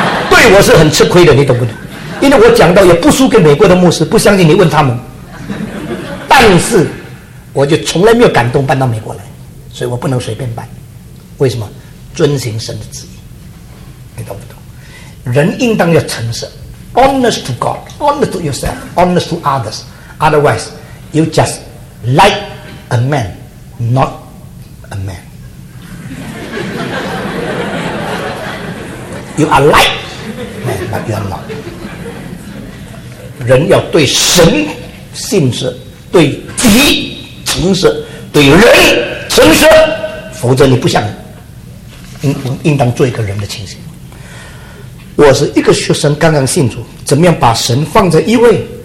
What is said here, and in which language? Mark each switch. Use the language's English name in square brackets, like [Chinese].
[Chinese] 对我是很吃亏的，你懂不懂？因为我讲到也不输给美国的牧师，不相信你问他们。但是我就从来没有感动搬到美国来，所以我不能随便搬。为什么？遵行神的旨意，你懂不懂？人应当要诚实， [English] honest to God, honest to yourself, honest to others, otherwise you just like a man, not a man. You are like, but you are not. [Chinese] 人要对神信实，对己诚实，对人诚实，否则你不像。应当做一个人的情形。我是一个学生，刚刚信主，怎么样把神放在一位？